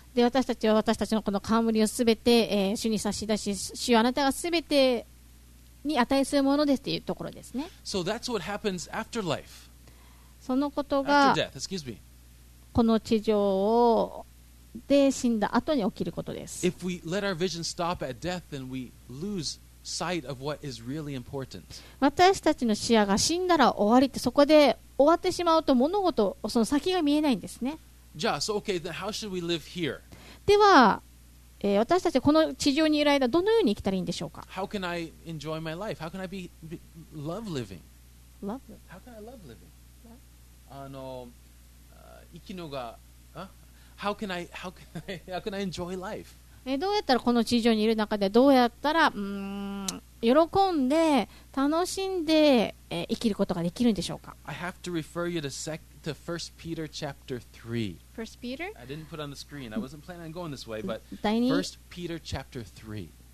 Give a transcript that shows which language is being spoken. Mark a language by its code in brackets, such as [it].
[ja] で、私たちは私たちのこの冠をすべて、主に差し出し、主はあなたがすべてに値するものですというところですね。 [en] So that's what happens after life. [ja] そのことが [en] After death, excuse me. [ja] この地上で死んだ後に起きることです。 [en] If we let our vision stop at death, then we lose. Sight of what is really important. [ja] 私たちの視野が死んだら終わりって、そこで終わってしまうと物事その先が見えないんですね。 [en] じゃあ、so okay, then how should we live here? [ja] では、私たちこの地上にいる間どのように生きたらいいんでしょうか。 [en] How can I enjoy my life? How can I be love living? Love? How can I love living? [ja] あの、生きのが、 [en] How can I enjoy life? [ja] どうやったらこの地上にいる中でどうやったら喜んで楽しんで生きることができるんでしょうか。 [en] I have to refer you to 1 Peter chapter 3. 1 Peter? I didn't put on the screen. I wasn't planning on going this way, but 1 Peter chapter 3.